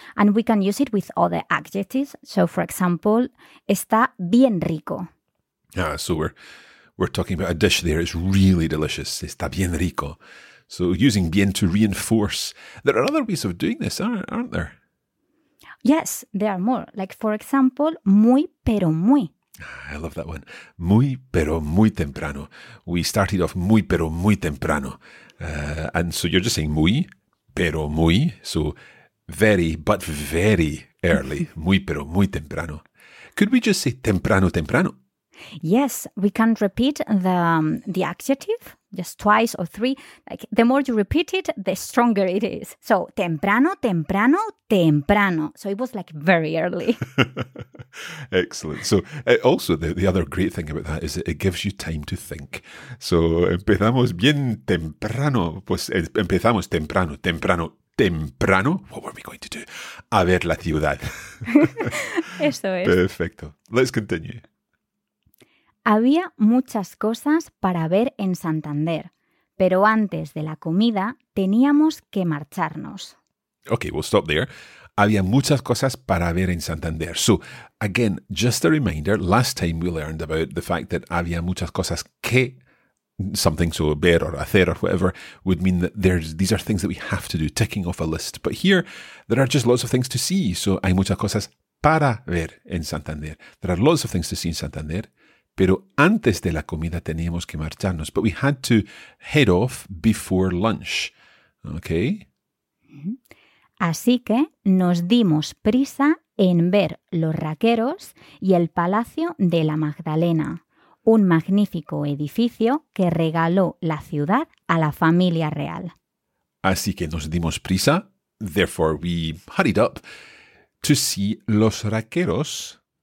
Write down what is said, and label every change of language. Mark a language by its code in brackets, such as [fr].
[en] And we can use it with other adjectives. [es] So for example, está bien rico. [en] Yeah, so we're talking about a dish there. It's really delicious. [es] Está bien rico. [en] So using bien to reinforce. There are other ways of doing this, aren't there? Yes, there are more. Like, for example, [es] muy, pero muy. [en] I love that one. [es] Muy, pero muy temprano. [en] We started off [es] muy, pero muy temprano. [en] And so you're just saying [es] muy, pero muy. [en] So very, but very early. [es] Muy, pero muy temprano. [en] Could we just say temprano, temprano? Yes, we can repeat the adjective just twice or three. Like the more you repeat it, the stronger it is. So [es] temprano, temprano, temprano. [en] So it was like very early. Excellent. So also the other great thing about that is that it gives you time to think. [es] So empezamos bien temprano. Pues empezamos temprano, temprano. [en] Temprano, what were we going to do? [es] A ver la ciudad. Eso es. Perfecto. [en] Let's continue. [es] Había muchas cosas para ver en Santander, pero antes de la comida teníamos que marcharnos. [en] Okay, we'll stop there. [es] Había muchas cosas para ver en Santander. [en] So, again, just a reminder, last time we learned about the fact that [es] había muchas cosas que [en] something, so ver or hacer or whatever, would mean that these are things that we have to do, ticking off a list. But here, there are just lots of things to see. [es] So hay muchas cosas para ver en Santander. [en] There are lots of things to see in Santander. [es] Pero antes de la comida teníamos que marcharnos. [en] But we had to head off before lunch. Okay? [es] Así que nos dimos prisa en ver los raqueros y el Palacio de la Magdalena. Un magnífico edificio que regaló la ciudad a la familia real. Así que nos dimos prisa, [en] therefore we hurried up, to see [es] los raqueros.